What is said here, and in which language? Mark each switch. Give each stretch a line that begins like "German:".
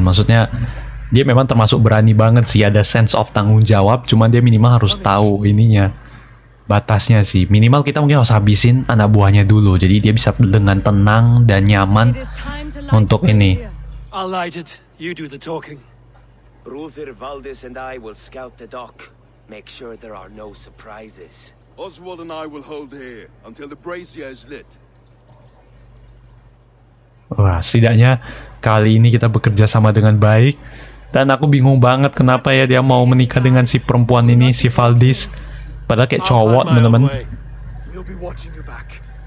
Indonesian: Maksudnya dia memang termasuk berani banget sih, ada sense of tanggung jawab. Cuman dia minimal harus tahu ininya, batasnya sih. Minimal kita mungkin harus habisin anak buahnya dulu, jadi dia bisa dengan tenang dan nyaman untuk ini.
English: I'll light it. You do the talking. Ruther Valdis and I will scout the dock. Make sure there are no surprises. Oswald and I will hold here until the brazier is lit.
Indonesian: Wah, setidaknya kali ini kita bekerja sama dengan baik. Dan aku bingung banget kenapa ya dia mau menikah dengan si perempuan ini, si Valdis. Padahal kayak cowok, teman-teman.
English: We'll be watching you back.